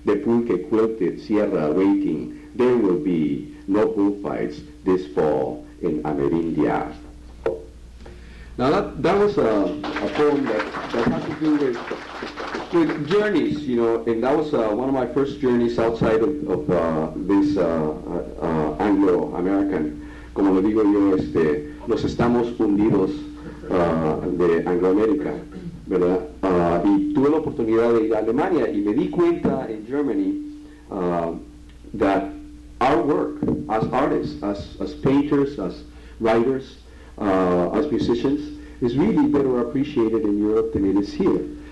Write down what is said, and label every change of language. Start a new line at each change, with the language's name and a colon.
English: The pulque quilted sierra waiting. There will be no bullfights this fall in Amerindia. Now that was a poem that has to do with journeys, you know, and that was one of my first journeys outside of this Anglo-American.
Spanish: Como lo digo yo, nos estamos fundidos de Anglo-América, ¿verdad? Y tuve la oportunidad de ir a Alemania y me di cuenta
English: in Germany that our work as artists, as painters, as writers, as musicians, is really better appreciated in Europe than it is here.